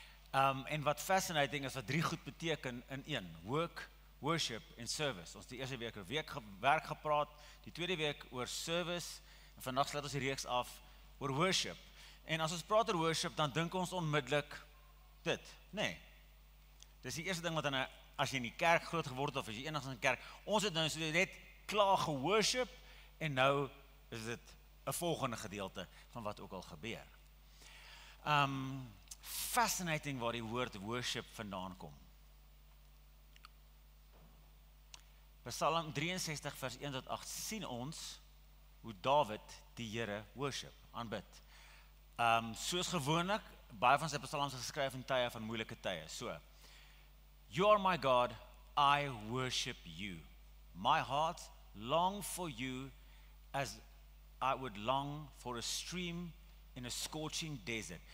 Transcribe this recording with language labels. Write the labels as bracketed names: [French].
[Afrikaans] En wat fascinating is, wat drie goed beteken in een. [English] Work, worship en service. [Afrikaans] Ons die eerste week oor werk gepraat, die tweede week oor service, en vandag sluit ons die reeks af oor worship. En as ons praat oor worship, dan dink ons onmiddellik dit. Nee. Dis die eerste ding wat as jy in die kerk groot geword het, of as jy enigszins in die kerk, ons het nou so net klaar geworship, en nou is dit een volgende gedeelte van wat ook al gebeur. Fascinating waar die woord worship vandaan kom. Psalm 63 vers 1 tot 8 sien ons hoe David die Here worship, aanbid. Soos gewoonlik, baie van sy psalms is geskryf in tye van moeilike tye. [English] So, You are my God, I worship you. My heart long for you as I would long for a stream in a scorching desert.